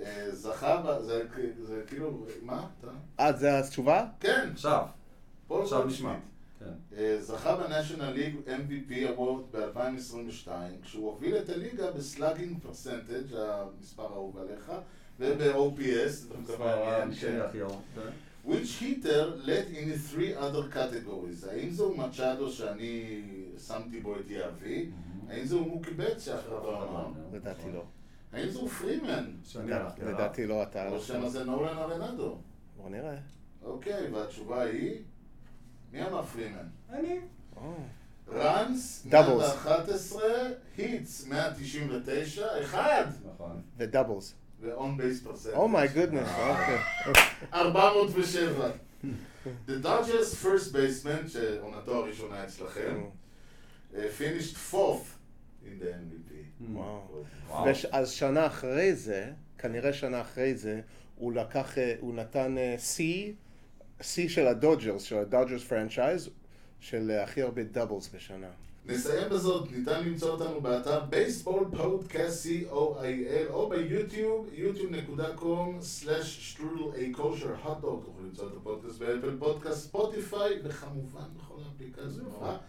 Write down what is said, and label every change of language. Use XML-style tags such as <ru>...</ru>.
<he>זכה, זה כאילו, מה אתה? זה התשובה? כן. עכשיו. פול גולדשמיט. כן. זכה בנשיונל ליג MVP אבורד ב-2022, כשהוא הוביל את הליגה בסלאגינג פרסנטג' המספר האהוב עליך, וב-OPS, המספר הכי אהוב.</he> <en>Which hitter led in three other categories.</en> <he>האם זהו מצ'אדו שאני שמתי בו את יאבי? האם זהו מוקי בטס שאחריו אמרנו? לדעתי לא. האם זהו פרימן? לדעתי לא, אתה... או שם הזה נולן ארנדו? בוא נראה. אוקיי, והתשובה היא... מי אמר פרימן? אני. ראנס, 111, היטס, 199, 1. נכון. ודאבלס. ואון בייס פרסנטג'.</he> <en>Oh my goodness,</en> <he>אוקיי. 407.</he> <en>The Dodgers first baseman,</en> <he>שעונתו הראשונה אצלכם,</he> <en>finished fourth in the MVP.</en> <he>וואו. אז שנה אחרי זה, כנראה שנה אחרי זה, הוא לקח, הוא נתן C של הדודג'רס, של הדודג'רס פרנצ'ייז, של הכי הרבה דאבלס בשנה. נסיים בזאת, ניתן למצוא אותנו באתר baseball podcast COIL או ביוטיוב, youtube.com/strudelacosherhotdog, תוכלו למצוא את הפודקאסט באפל פודקאסט, ספוטיפיי, וכמובן בכל האפליקציות.</he>